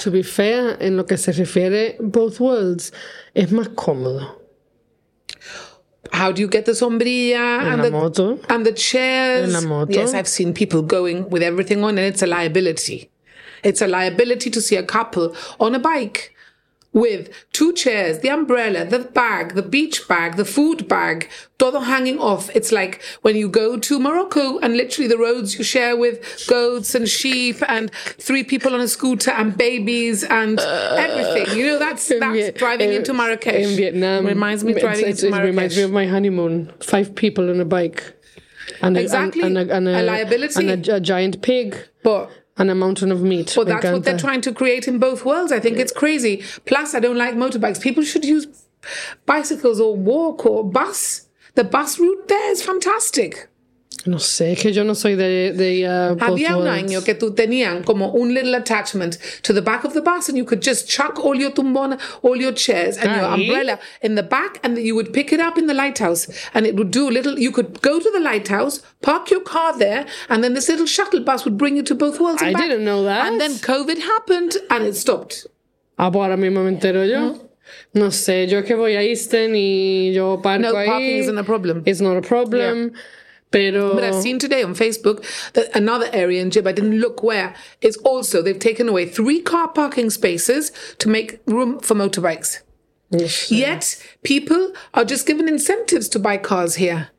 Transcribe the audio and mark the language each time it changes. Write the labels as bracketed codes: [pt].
[en] To be fair, [es] en lo que se refiere, Both Worlds es más cómodo. [en] How do you get the sombrilla and the chairs? [es] En la moto. [en] Yes, I've seen people going with everything on, and it's a liability. It's a liability to see a couple on a bike with two chairs, the umbrella, the bag, the beach bag, the food bag, [es] todo [en] hanging off. It's like when you go to Morocco and literally the roads you share with goats and sheep and three people on a scooter and babies and everything. You know, that's driving into Marrakesh. In Vietnam. Reminds me of my honeymoon. Five people on a bike. And a liability. And a giant pig. But... And a mountain of meat. Well, that's what they're trying to create in Both Worlds. I think it's crazy. Plus, I don't like motorbikes. People should use bicycles or walk or bus. The bus route there is fantastic. [es] No sé, que yo no soy de Both Worlds. Había un año que tú tenían como un [en] little attachment to the back of the bus and you could just chuck all your tumbona, all your chairs and your umbrella in the back and you would pick it up in the lighthouse and it would do a little, you could go to the lighthouse, park your car there and then this little shuttle bus would bring you to Both Worlds and back. I didn't know that. And then COVID happened and it stopped. [es] Ah, pues ahora mismo me entero yo. No sé, yo que voy a Easton y yo parco ahí. [en] No, parking isn't a problem. It's not a problem. Yeah. But I've seen today on Facebook that another area in Jib, I didn't look where, is also they've taken away three car parking spaces to make room for motorbikes. Yes. Yet people are just given incentives to buy cars here.